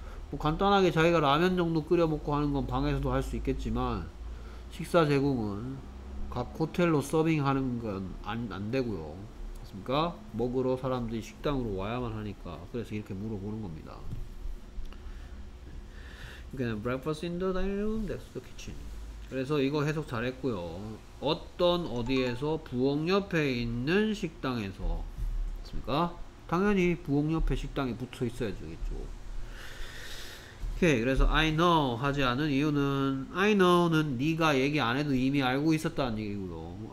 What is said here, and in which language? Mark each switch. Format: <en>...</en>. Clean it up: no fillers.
<ko>뭐 간단하게 자기가 라면 정도 끓여 먹고 하는 건 방에서도 할 수 있겠지만 식사 제공은 각 호텔로 서빙하는 건 안 되고요. 맞습니까? 먹으러 사람들이 식당으로 와야만 하니까 그래서 이렇게 물어보는 겁니다.</ko> <en>You can have breakfast in the dining room, next to the kitchen.</en> <ko>그래서 이거 해석 잘했고요. 어떤 어디에서 부엌 옆에 있는 식당에서 맞습니까? 당연히 부엌 옆에 식당이 붙어 있어야 되겠죠. 오케이. 그래서 I know 하지 않은 이유는 I know는 네가 얘기 안 해도 이미 알고 있었다는 얘기고요.</ko>